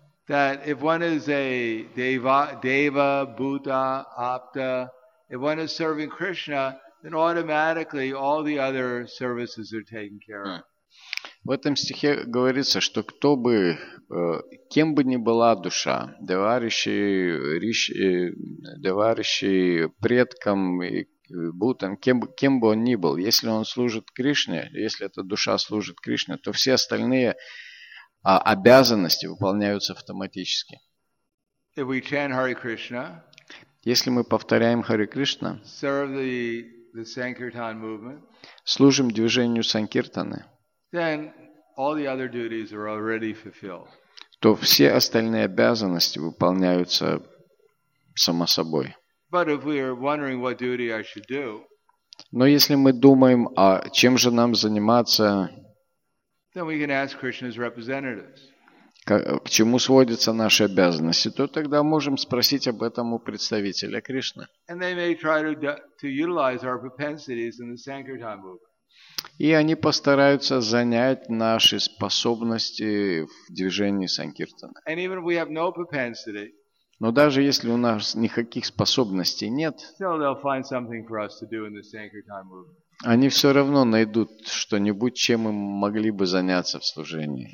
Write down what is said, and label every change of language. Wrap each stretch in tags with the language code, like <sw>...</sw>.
<en>That if one is a deva, bhuta, apta, if one is serving Krishna, then automatically all the other services are taken care of.</en> <ru>В этом стихе говорится, что кто бы, кем бы ни была душа, деваришчи предкам и бутам, кем бы он ни был, если он служит Кришне, если эта душа служит Кришне, то все остальные обязанности выполняются автоматически.</ru> <en>If we chant Hare Krishna,</en> <ru>если мы повторяем Харе Кришна,</ru> <en>serve the Sankirtan movement,</en> <ru>служим движению Санкиртаны,</ru> <en>then all the other duties are already fulfilled.</en> <ru>То все остальные обязанности выполняются само собой.</ru> <en>But if we are wondering what duty I should do,</en> <ru>но если мы думаем, а чем же нам заниматься,</ru> <en>then we can ask Krishna's representatives.</en> <ru>К чему сводятся наши обязанности, то тогда можем спросить об этом у представителя Кришны.</ru> <en>And they may try to utilize our propensities in the Sankirtan movement.</en> <ru>И они постараются занять наши способности в движении Санкиртана.</ru> <en>And even if we have no propensity,</en> <ru>но даже если у нас никаких способностей нет,</ru> <en>still they'll find something for us to do in the Sankirtan movement.</en> <ru>Они все равно найдут что-нибудь, чем им могли бы заняться в служении.</ru>